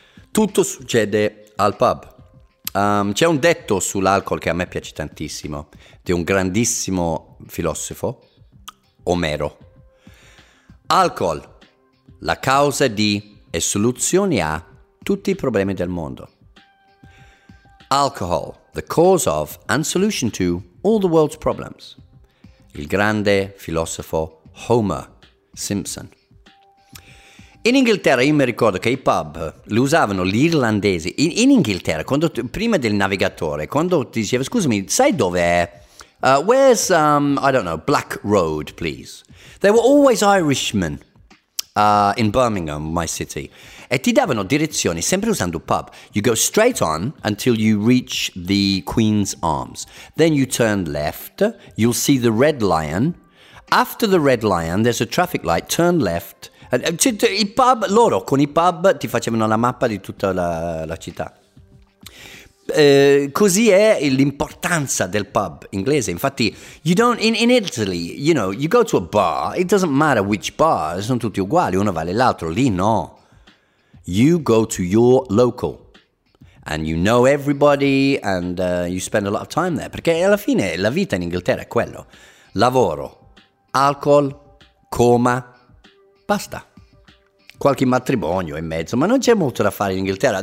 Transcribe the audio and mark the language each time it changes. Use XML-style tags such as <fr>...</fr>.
<it>Tutto succede al pub. C'è un detto sull'alcol che a me piace tantissimo, di un grandissimo filosofo, Omero. Alcol, la causa di e soluzione a tutti i problemi del mondo.</it> <en>Alcohol, the cause of and solution to all the world's problems.</en> <it>Il grande filosofo Homer Simpson. In Inghilterra io mi ricordo che i pub li usavano gli irlandesi. In Inghilterra, prima del navigatore, quando ti diceva, scusami, sai dove è?</it> <en>Where's, I don't know, Black Road, please? There were always Irishmen in Birmingham, my city.</en> <it>E ti davano direzioni, sempre usando pub. You go straight on until you reach the Queen's Arms.</it> <en>Then you turn left, you'll see the Red Lion. After the Red Lion, there's a traffic light, turn left.</en> <it>I pub, loro con i pub ti facevano la mappa di tutta la città. Così è l'importanza del pub inglese. Infatti,</it> <en>you don't in Italy, you know, you go to a bar, it doesn't matter which bar,</en> <it>sono tutti uguali, uno vale l'altro. Lì no.</it> <en>You go to your local and you know everybody and you spend a lot of time there.</en> <it>Perché alla fine la vita in Inghilterra è quello. Lavoro, alcol, coma, basta. Qualche matrimonio in mezzo, ma non c'è molto da fare in Inghilterra.</it>